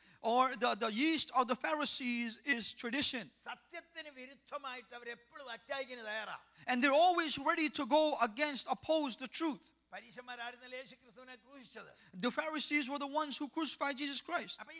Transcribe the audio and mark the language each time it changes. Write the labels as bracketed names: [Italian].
[English] Or the yeast of the Pharisees is tradition. [Malayalam] സത്യത്തിന് വിരുദ്ധമായിട്ട് അവർ എപ്പോഴും അറ്റാക്കിന് തയ്യാറാ. [English] And they're always ready to go against, oppose the truth. The Pharisees were the ones who crucified Jesus Christ.